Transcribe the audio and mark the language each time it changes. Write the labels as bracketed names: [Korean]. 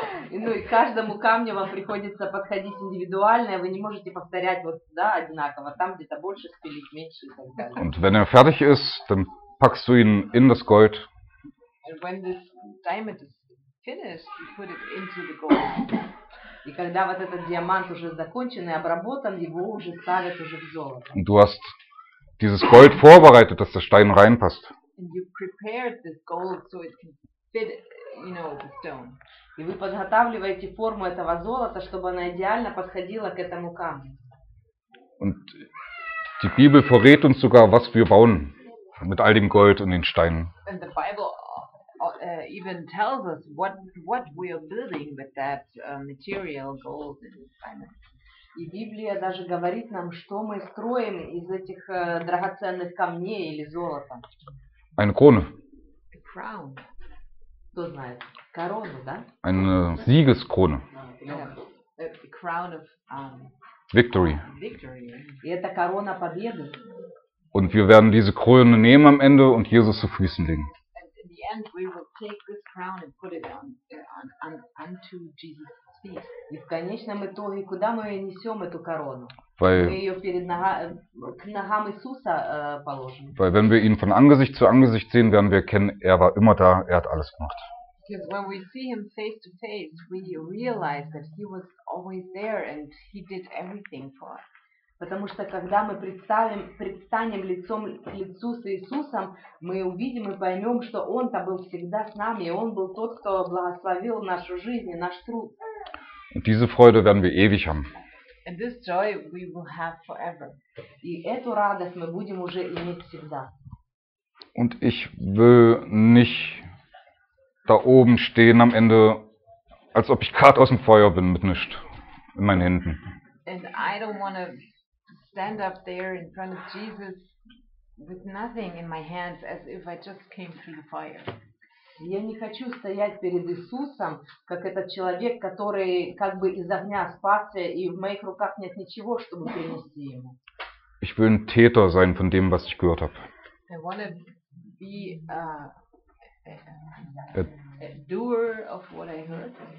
[Russian] Ну и каждому камню вам приходится подходить индивидуально, вы не можете повторять вот сюда одинаково, там где-то больше спилить, меньше и так далее. [German] Und wenn fertig ist, dann packst du ihn in das Gold. [English] And when this diamond is finished, you put it into the gold. [Russian] И когда вот этот диамант уже закончен и обработан, его уже ставят уже в золото. [German] Du hast dieses Gold vorbereitet, dass der Stein reinpasst. [English] And you prepared this gold so it can fit, you know, the stone. [Russian] И вы подготавливаете форму этого золота, чтобы она идеально подходила к этому камню. [German] Und die Bibel verrät uns sogar, was wir bauen mit all dem Gold und den Steinen. [English] And the Bible even tells us what we are building with that material gold and diamond. [Russian] И Библия даже говорит нам, что мы строим из этих драгоценных камней или золота. [German] Eine Krone. [English] A crown. [Russian] Кто знает? Корону, да? [German] Eine Siegeskrone. [English] A crown of victory. Victory. [Russian] И это корона победы. [German] Und wir werden diese Krone nehmen am Ende und Jesus zu Füßen legen. [English] And in the end we will take this crown and put it on unto Jesus' feet. [Russian] И в конечном итоге, куда мы несем эту корону? [German] Weil, [Russian] мы ее перед нога, к ногам Иисуса положим. [German] Weil wenn wir ihn von Angesicht zu Angesicht sehen, werden wir kennen, er war immer da, er hat alles gemacht. [English] Because when we see him face to face, we realize that he was always there and he did everything for us. [Russian] Потому что когда мы представим, предстанем лицом к лицу с Иисусом, мы увидим и поймем, что Он-то был всегда с нами, и Он был тот, кто благословил нашу жизнь и наш труд. [German] Und diese Freude werden wir ewig haben. [English] And this joy we will have forever. [Russian] И эту радость мы будем уже иметь всегда. [German] Und ich will nicht da oben stehen am Ende, als ob ich gerade aus dem Feuer bin mit nichts in meinen Händen. [English] And I don't want to stand up there in front of Jesus with nothing in my hands as if I just came through the fire. [Russian] Я не хочу стоять перед Иисусом, как этот человек, который как бы из огня спасся, и в моих руках нет ничего, чтобы принести ему. [German] Ich will ein Täter sein von dem, was ich gehört habe. [English] I want to be a doer of what I heard.